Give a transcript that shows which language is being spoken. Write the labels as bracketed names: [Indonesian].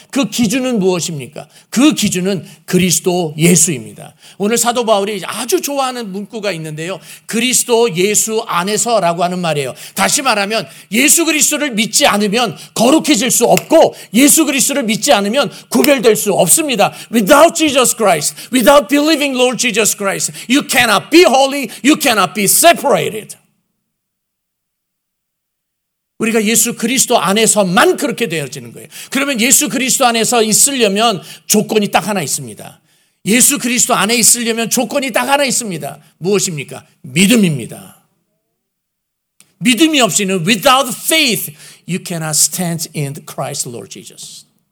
[Korean] 그 기준은 무엇입니까? 그 기준은 그리스도 예수입니다. 오늘 사도 바울이 아주 좋아하는 문구가 있는데요. 그리스도 예수 안에서라고 하는 말이에요. 다시 말하면 예수 그리스도를 믿지 않으면 거룩해질 수 없고 예수 그리스도를 믿지 않으면 구별될 수 없습니다. [English] Without Jesus Christ, without believing Lord Jesus Christ, you cannot be holy, you cannot be separated. [Korean] 우리가 예수 그리스도 안에서만 그렇게 되어지는 거예요. 그러면 예수 그리스도 안에서 있으려면 조건이 딱 하나 있습니다. 예수 그리스도 안에 있으려면 조건이 딱 하나 있습니다. 무엇입니까? 믿음입니다. 믿음이 없이는 [English] without faith you cannot stand in Christ Lord Jesus.